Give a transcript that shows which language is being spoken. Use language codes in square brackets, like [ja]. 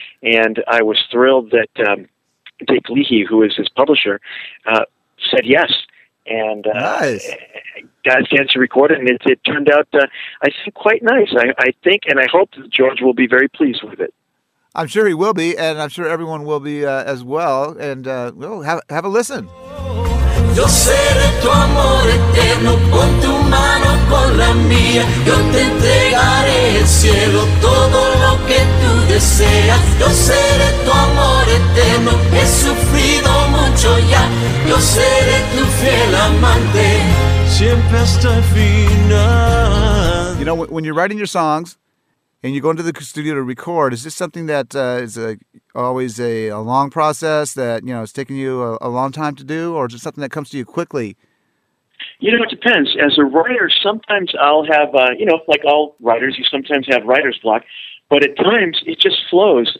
[en] And I was thrilled that Dick Leahy, who is his publisher, said yes. And nice. Got a chance to record it, and it turned out, I think, quite nice. I think and I hope that George will be very pleased with it. I'm sure he will be, and I'm sure everyone will be as well. And we'll have a listen. [es] Yo seré tu amor eterno, con tu mano, con la mía. Yo te entregaré el cielo, todo lo que tú deseas. Yo seré tu amor eterno, he sufrido mucho ya. Yo seré tu fiel amante, siempre hasta el final. [en] You know, when you're writing your songs and you go into the studio to record, is this something that is always a long process that, you know, it's taken you a long time to do, or is it something that comes to you quickly? You know, it depends. As a writer, sometimes I'll have, you know, like all writers, you sometimes have writer's block, but at times it just flows.